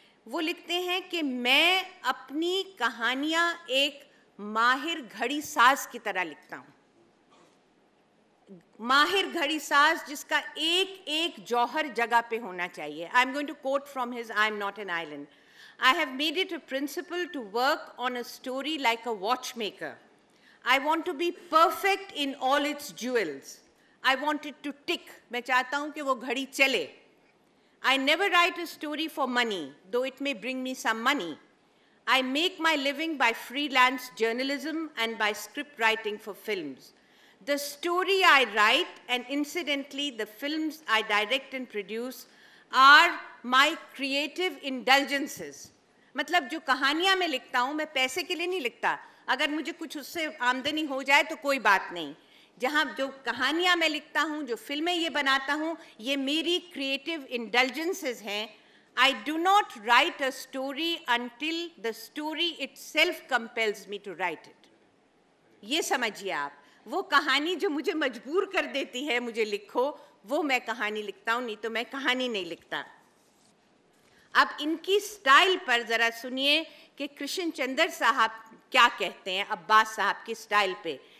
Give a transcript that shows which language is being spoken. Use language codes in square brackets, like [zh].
[hi] वो लिखते हैं कि मैं अपनी कहानियां एक माहिर घड़ीसाज की तरह लिखता हूं. माहिर घड़ीसाज जिसका एक-एक जौहर जगह पे होना चाहिए. [en] I am going to quote from his I am not an island. I have made it a principle to work on a story like a watchmaker. I want to be perfect in all its jewels. I want it to tick. [hi] मैं चाहता हूं कि वो घड़ी चले. [en] I never write a story for money, though it may bring me some money. I make my living by freelance journalism and by script writing for films. The story I write, and incidentally the films I direct and produce, are my creative indulgences. [hi] मतलब जो कहानियाँ मैं लिखता हूँ, मैं पैसे के लिए नहीं लिखता. अगर मुझे कुछ उससे आमदनी हो जाए तो कोई बात नहीं. जहाँ जो कहानियाँ मैं लिखता हूँ, जो फिल्में ये बनाता हूँ, ये मेरी creative indulgences हैं. [en] I do not write a story until the story itself compels me to write it. [hi] ये समझिए आप. वो कहानी जो मुझे मजबूर कर देती है मुझे लिखो, वो मैं कहानी लिखता हूँ, नहीं तो मैं कहानी नहीं लिखता. अब इनकी स्टाइल पर जरा सुनिए कि कृष्ण चंद्र साहब क्या कहते हैं अब्बास साहब की स्टाइल पे.